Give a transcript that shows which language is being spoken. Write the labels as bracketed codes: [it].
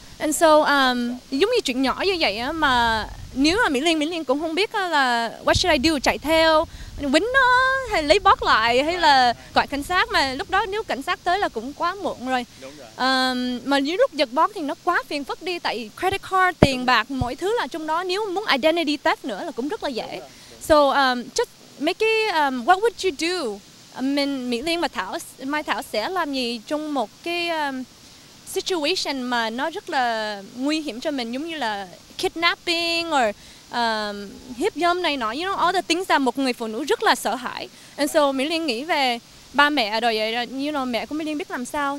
[vi] And so giống như chuyện nhỏ như vậy á, mà nếu mà Mỹ Liên cũng không biết là [en] what should I do, [vi] chạy theo quýnh nó hay lấy bóp lại hay là gọi cảnh sát, mà lúc đó nếu cảnh sát tới là cũng quá muộn rồi. Mà nếu lúc giật bóp thì nó quá phiền phức đi, tại credit card, tiền bạc, mọi thứ là trong đó, nếu muốn identity theft nữa là cũng rất là dễ. [en] So just make it, what would you do? [vi] Mỹ Liên và Mai Thảo sẽ làm gì trong một cái situation mà nó rất là nguy hiểm cho mình, giống như là kidnapping or hiếp dâm này nọ, [en] you know, all the things that [vi] một người phụ nữ rất là sợ hãi. And so Mỹ Liên nghĩ về ba mẹ rồi, vậy you know, mẹ của Mỹ Liên biết làm sao.